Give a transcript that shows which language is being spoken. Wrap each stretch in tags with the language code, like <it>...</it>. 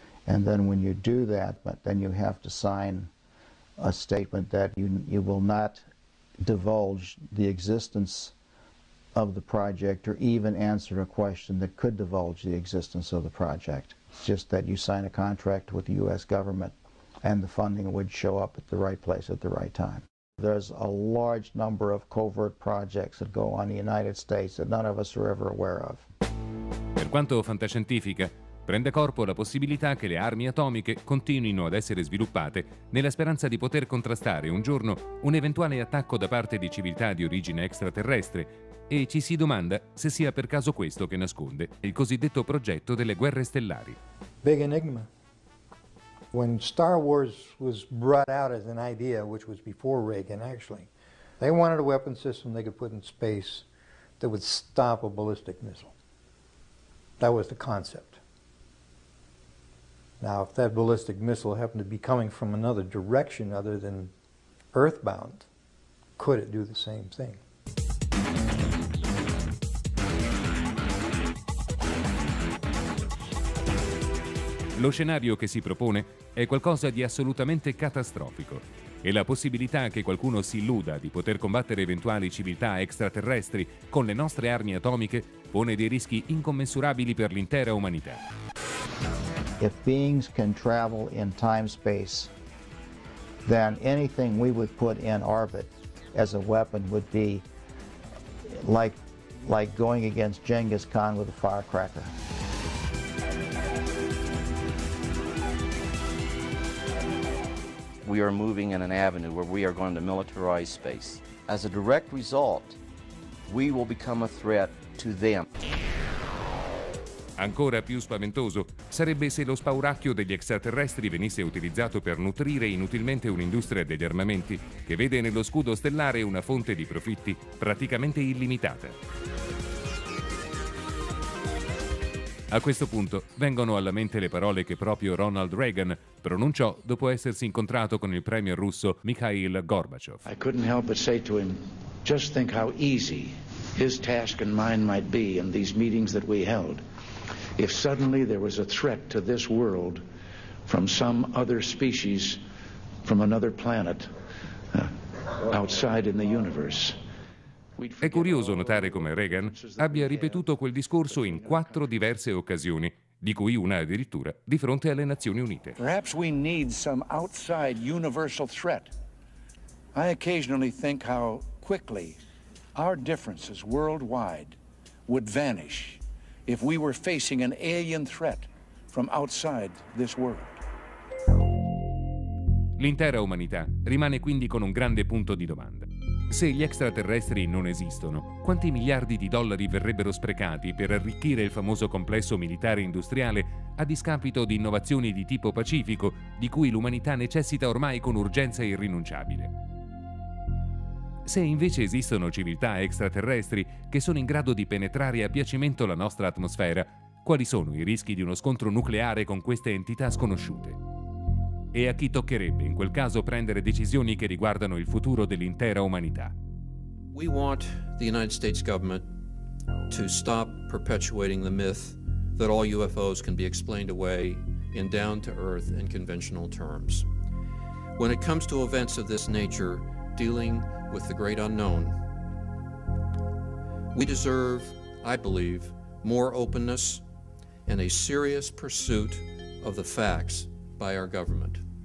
<en>And then when you do that, but then you have to sign a statement that you will not divulge the existence of the project or even answer a question that could divulge the existence of the project. It's just that you sign a contract with the U.S. government and the funding would show up at the right place at the right time. There's a large number of covert projects that go on in the United States that none of us are ever aware of.</en> <it>Per quanto fantascientifica, prende corpo la possibilità che le armi atomiche continuino ad essere sviluppate nella speranza di poter contrastare un giorno un eventuale attacco da parte di civiltà di origine extraterrestre. E ci si domanda se sia per caso questo che nasconde il cosiddetto progetto delle guerre stellari.</it> <en>Big enigma. When Star Wars was brought out as an idea, which was before Reagan actually, they wanted a weapon system they could put in space that would stop a ballistic missile. That was the concept. Now, if that ballistic missile happened to be coming from another direction other than earthbound, could it do the same thing?</en> <it>Lo scenario che si propone è qualcosa di assolutamente catastrofico e la possibilità che qualcuno si illuda di poter combattere eventuali civiltà extraterrestri con le nostre armi atomiche pone dei rischi incommensurabili per l'intera umanità.</it> <en>If beings can travel in time space, then anything we would put in orbit as a weapon would be like going against Genghis Khan with a firecracker. We are moving in an avenue where we are going to militarize space. As a direct result, we will become a threat to them.</en> <it>Ancora più spaventoso sarebbe se lo spauracchio degli extraterrestri venisse utilizzato per nutrire inutilmente un'industria degli armamenti che vede nello scudo stellare una fonte di profitti praticamente illimitata. A questo punto vengono alla mente le parole che proprio Ronald Reagan pronunciò dopo essersi incontrato con il premier russo Mikhail Gorbachev.</it> <en>I couldn't help but say to him, just think how easy his task and mine might be in these meetings that we held. If suddenly there was a threat to this world from some other species, from another planet, outside in the universe.</en> <it>È curioso notare come Reagan abbia ripetuto quel discorso in quattro diverse occasioni, di cui una addirittura di fronte alle Nazioni Unite.</it> <en>Perhaps we need some outside universal threat. I occasionally think how quickly our differences worldwide would vanish if we were facing an alien threat from outside this world.</en> <it>L'intera umanità rimane quindi con un grande punto di domanda. Se gli extraterrestri non esistono, quanti miliardi di dollari verrebbero sprecati per arricchire il famoso complesso militare industriale a discapito di innovazioni di tipo pacifico di cui l'umanità necessita ormai con urgenza irrinunciabile? Se invece esistono civiltà extraterrestri che sono in grado di penetrare a piacimento la nostra atmosfera, quali sono i rischi di uno scontro nucleare con queste entità sconosciute? E a chi toccherebbe in quel caso prendere decisioni che riguardano il futuro dell'intera umanità?</it> <en>We want the United States government to stop perpetuating the myth that all UFOs can be explained away in down-to-earth and conventional terms. When it comes to events of this nature, dealing with the great unknown, we deserve, I believe, more openness and a serious pursuit of the facts by our government.</en>